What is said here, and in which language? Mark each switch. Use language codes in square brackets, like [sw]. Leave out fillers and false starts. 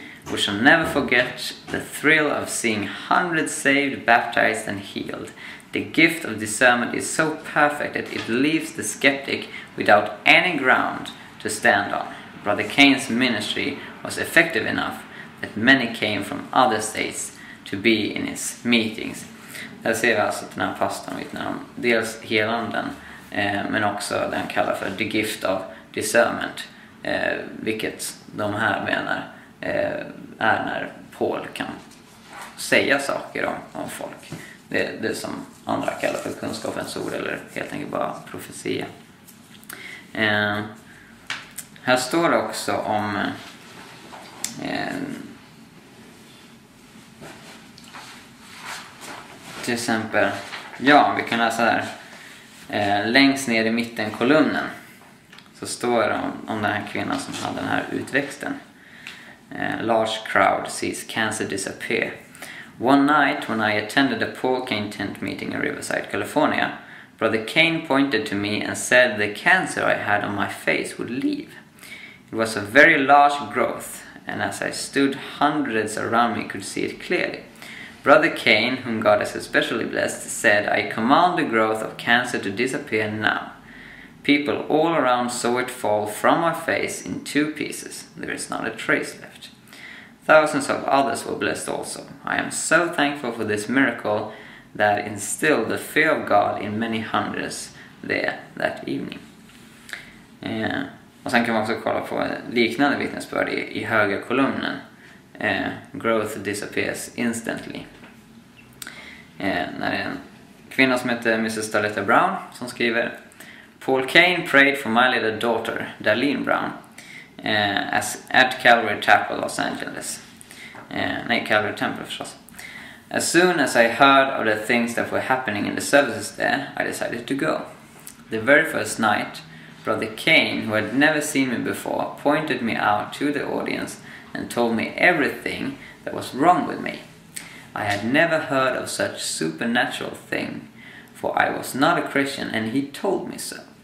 [en] We shall never forget the thrill of seeing hundreds saved, baptized, and healed. The gift of discernment is so perfect that it leaves the skeptic without any ground to stand on. Brother Kane's ministry was effective enough that many came from other states to be in his meetings. [sv] Där ser vi alltså att den här pastorn vittnar om dels helanden, men också det han kallar för [en] the gift of discernment, [sv] vilket de här menar är när Paul kan säga saker om folk. Det som andra kallar för kunskapens ord eller helt enkelt bara profetia. Här står det också om till exempel, ja, vi kan läsa här längst ner i mitten kolumnen, så står det om den här kvinnan som hade den här utväxten. [en] Large crowd sees cancer disappear. One night when I attended a Paul Kane tent meeting in Riverside, California, Brother Kane pointed to me and said the cancer I had on my face would leave. It was a very large growth, and as I stood, hundreds around me could see it clearly. Brother Kane, whom God has especially blessed, said, "I command the growth of cancer to disappear now." People all around saw it fall from my face in two pieces. There is not a trace left. Thousands of others were blessed also. I am so thankful for this miracle that instilled the fear of God in many hundreds there that evening. [sv] Och sen kan man också kolla på liknande vittnesbörd i höger kolumnen. [en] Growth disappears instantly. [sv] När en kvinna som heter Mrs. Starletta Brown som skriver: [en] Paul Kane prayed for my little daughter, Darlene Brown. at Calvary Chapel, Los Angeles. [sv] Nej, Calvary Temple förstås. [en] As soon as I heard of the things that were happening in the services there, I decided to go. The very first night, Brother Kane, who had never seen me before, pointed me out to the audience and told me everything that was wrong with me. I had never heard of such supernatural thing, for I was not a Christian, and he told me so.